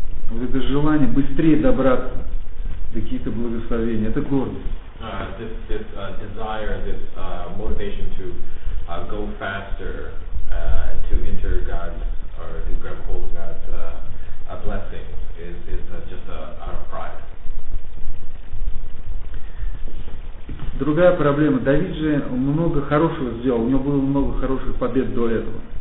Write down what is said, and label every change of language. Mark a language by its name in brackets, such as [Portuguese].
[Russian] Вот это желание быстрее добраться до каких-то благословений, это гордость. [English] This desire, this motivation to go faster, to enter God's, or to grab hold of God's blessing is just out of pride. [Russian] Другая проблема. Давид же много хорошего сделал, у него было много хороших побед до этого.